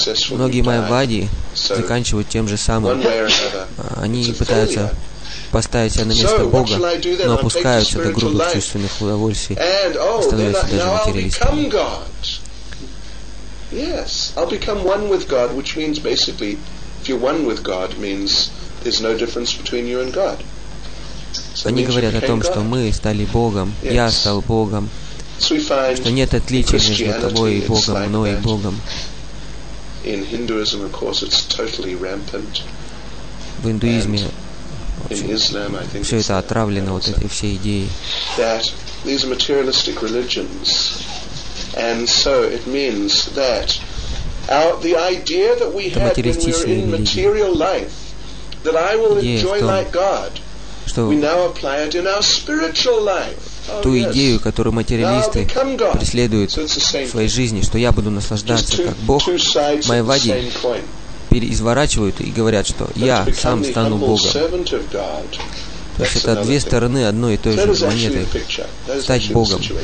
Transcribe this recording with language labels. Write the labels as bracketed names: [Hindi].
[Russian] Многие майявади заканчивают тем же самым. Они пытаются поставить себя на место Бога, но опускаются до грубых чувственных удовольствий и становятся даже материалистами. [English] Yes, I'll become one with God, which means basically, if you're one with God, means there's no difference between you and God. [Russian] Они говорят о том, что мы стали Богом, я стал Богом, что нет отличия между тобой и Богом, мной и Богом. [English] In Hinduism, of course, it's totally rampant. [Russian] В индуизме все это отравлено, вот эти все идеи. [English] That these are materialistic religions. And so it means that the idea that we had when we were in material life, that I will enjoy like God, we now apply it in our spiritual life. [Russian] Ту идею, которую материалисты преследуют в своей жизни, что я буду наслаждаться как Бог, майявади переизворачивают и говорят, что я сам стану Богом. То есть это две стороны одной и той же монеты. Стать Богом.